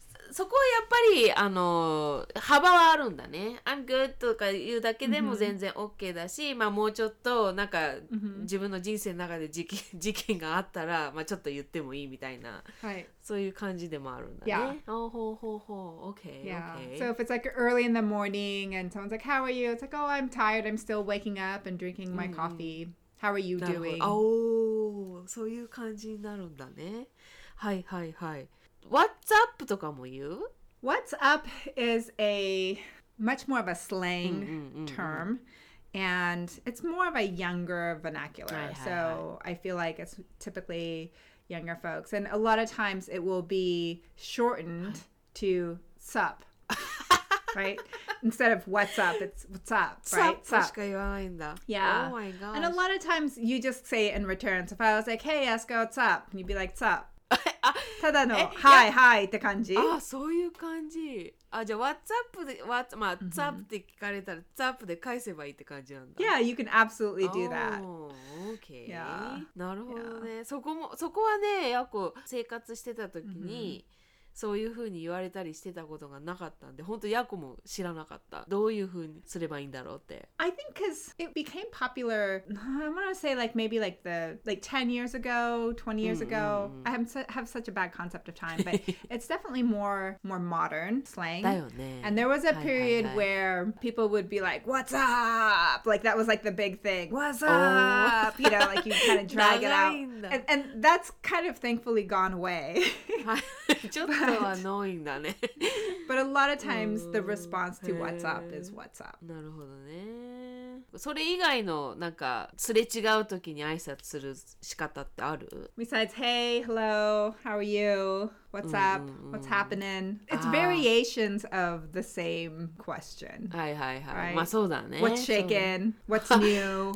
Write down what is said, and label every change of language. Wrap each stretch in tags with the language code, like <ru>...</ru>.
<ja>そこはやっぱりあの幅はあるんだね。</ja> <en>I'm good</en> <ja>とか言うだけでも全然 OK だし、mm-hmm. まあもうちょっとなんか自分の人生の中で事件があったら、まあちょっと言ってもいいみたいな、</ja> <en>right.</en> <ja>そういう感じでもあるんだね。</ja> <en>Yeah. Oh, ho, ho, ho. Okay. Yeah. Okay. So if it's like early in the morning and someone's like, "How are you?" It's like, "Oh, I'm tired. I'm still waking up and drinking my coffee. How are you doing?"</en> <ja>Oh, そういう感じになるんだね。はいはいはい。</ja> <en>What's up</en> <ja>とかも言う?</ja> <en>What's up is a much more of a slang term, and it's more of a younger vernacular. So I feel like it's typically younger folks, and a lot of times it will be shortened to sup, right? Instead of what's up, it's what's up, right? Sup</en> <ja>しか言わないんだ。</ja> <en>Yeah. Oh my gosh. And a lot of times you just say it in return. So if I was like, "Hey, Esco, what's up?" and you'd be like, "Sup."</en> <ja>ただの、はい、はいって感じ。あ、そういう感じ。あ、じゃあ、</ja> <en>What's up</en> <ja>で、What's、まあ、What's up って聞かれたら、What's up で返せばいいって感じなんだ。</ja> <en>Yeah, you can absolutely do that. Oh, okay. Yeah.</en> <ja>なるほどね。</ja> <en>Yeah.</en> <ja>そこはね、やっぱ生活してた時に、そういう風に言われたりしてたことがなかったんで、本当ヤコも知らなかった。どういう風にすればいいんだろうって。</ja> <en>I think because it became popular, I want to say like maybe like the like 10 years ago, 20 years ago. I have such a bad concept of time, but it's definitely more modern slang.</en> <ja>だよね。</ja> <en>And there was a period where people would be like, "What's up?" Like that was like the big thing. What's up? You know, like you kind of drag it out. And that's kind of thankfully gone away. But a lot of times the response to what's up is what's up.</en> <ja>なるほどね。それ以外のなんかすれ違う時に挨拶する仕方ってある?</ja> <en>Besides, hey, hello, how are you? What's up? What's happening? It's variations of the same question.</en> <ja>はいはいはい。</ja> <en>Right?</en> <ja>まあそうだね。</ja> <en>What's shaking? What's new?</en>